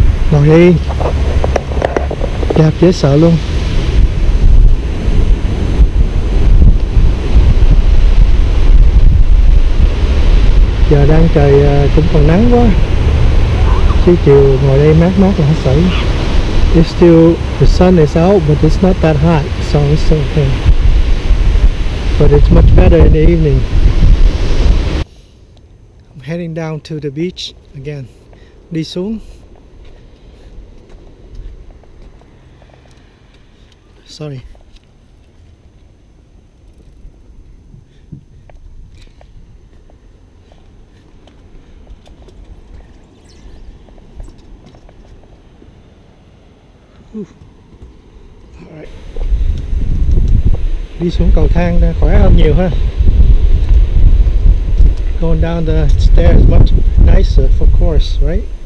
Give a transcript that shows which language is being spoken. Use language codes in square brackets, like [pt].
[vi] còn đi đạp dễ sợ luôn. Giờ đang trời cũng còn nắng quá, chứ chiều ngồi đây mát mát là hết sảy. [en] It's still, the sun is out, but it's not that hot, so it's okay. But it's much better in the evening. I'm heading down to the beach again. [vi] Đi xuống. [en] Sorry. [vi] Đi xuống cầu thang khỏe hơn nhiều ha. [en] Going down the stairs much nicer, of course, right?